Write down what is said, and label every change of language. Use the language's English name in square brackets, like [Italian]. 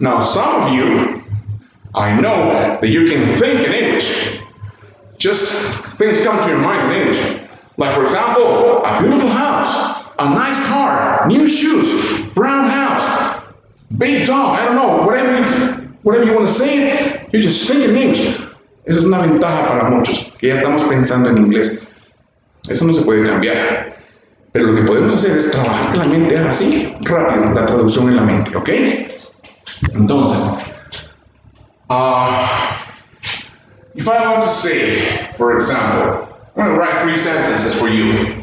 [English] Now, some of you, I know that you can think in English. Just things come to your mind in English. Like, for example, a beautiful house, a nice car, new shoes, brown house, big dog, I don't know, whatever you want to say, you just think in English. [Spanish] Eso es una ventaja para muchos, que ya estamos pensando en inglés. Eso no se puede cambiar. Pero lo que podemos hacer es trabajar que la mente haga así, rápido, la traducción en la mente, ¿ok? [English] Entonces, if I want to say, for example, I'm going to write three sentences for you.